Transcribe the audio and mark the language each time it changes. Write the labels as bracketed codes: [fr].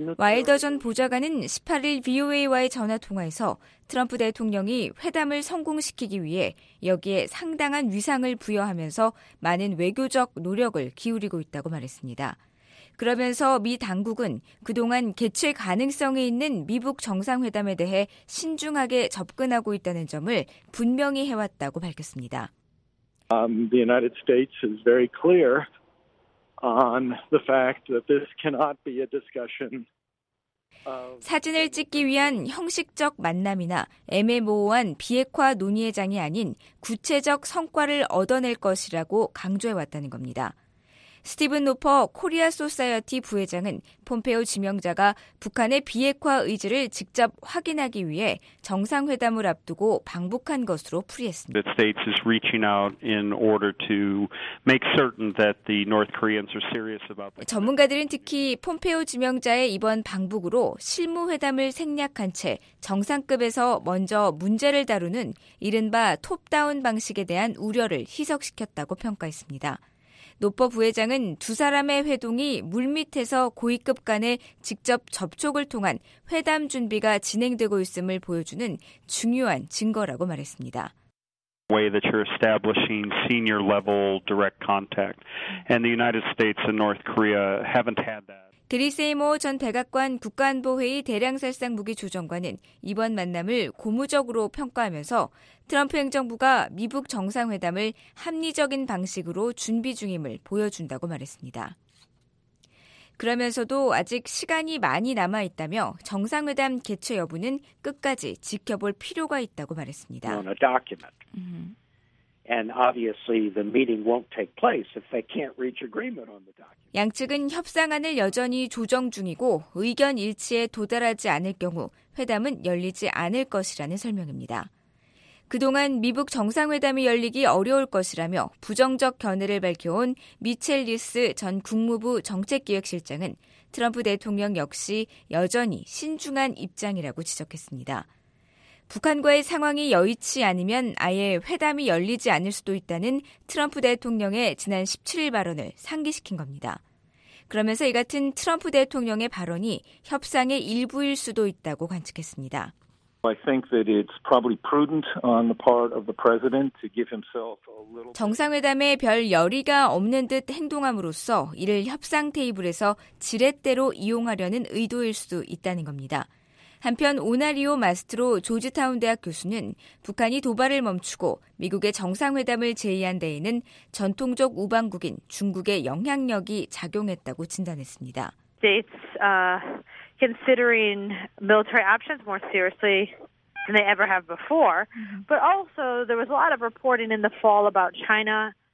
[ko] 와일더 전 보좌관은 18일 VOA와의 전화 통화에서 트럼프 대통령이 회담을 성공시키기 위해 여기에 상당한 위상을 부여하면서 많은 외교적 노력을 기울이고 있다고 말했습니다. 그러면서 미 당국은 그동안 개최 가능성이 있는 미북 정상회담에 대해 신중하게 접근하고 있다는 점을 분명히 해왔다고 밝혔습니다. [en] The United States is very clear on the fact that this cannot be a discussion. [ko] 사진을 찍기 위한 형식적 만남이나 애매모호한 비핵화 논의회장이 아닌 구체적 성과를 얻어낼 것이라고 강조해왔다는 겁니다. 스티븐 노퍼 코리아 소사이어티 부회장은 폼페오 지명자가 북한의 비핵화 의지를 직접 확인하기 위해 정상회담을 앞두고 방북한 것으로 풀이했습니다. [en] The States is reaching out in order to make certain that the North Koreans are serious about the [ko] 전문가들은 특히 폼페오 지명자의 이번 방북으로 실무회담을 생략한 채 정상급에서 먼저 문제를 다루는 이른바 톱다운 방식에 대한 우려를 희석시켰다고 평가했습니다. 노퍼 부회장은 두 사람의 회동이 물밑에서 고위급 간의 직접 접촉을 통한 회담 준비가 진행되고 있음을 보여주는 중요한 증거라고 말했습니다. [en] Way that you're establishing senior level direct contact and the United States and North Korea haven't had that. [ko] 드리세이모 전 백악관 국가안보회의 대량살상무기조정관은 이번 만남을 고무적으로 평가하면서 트럼프 행정부가 미북 정상회담을 합리적인 방식으로 준비 중임을 보여준다고 말했습니다. 그러면서도 아직 시간이 많이 남아있다며 정상회담 개최 여부는 끝까지 지켜볼 필요가 있다고 말했습니다. [en] On a document. And obviously the meeting won't take place if they can't reach agreement on the document. [ko] 양측은 협상안을 여전히 조정 중이고 의견 일치에 도달하지 않을 경우 회담은 열리지 않을 것이라는 설명입니다. 그동안 미북 정상회담이 열리기 어려울 것이라며 부정적 견해를 밝혀온 미첼 리스 전 국무부 정책기획실장은 트럼프 대통령 역시 여전히 신중한 입장이라고 지적했습니다. 북한과의 상황이 여의치 않으면 아예 회담이 열리지 않을 수도 있다는 트럼프 대통령의 지난 17일 발언을 상기시킨 겁니다. 그러면서 이 같은 트럼프 대통령의 발언이 협상의 일부일 수도 있다고 관측했습니다. [en] I think that it's probably prudent on the part of the president to give himself a little [ko] 정상회담에 별 열의가 없는 듯 행동함으로써 이를 협상 테이블에서 지렛대로 이용하려는 의도일 수도 있다는 겁니다. 한편 오나리오 마스트로 조지타운 대학 교수는 북한이 도발을 멈추고 미국의 정상회담을 제의한 데에는 전통적 우방국인 중국의 영향력이 작용했다고 진단했습니다. [en] States considering military options more seriously than they ever have before, but also there was a lot of reporting in the fall about China.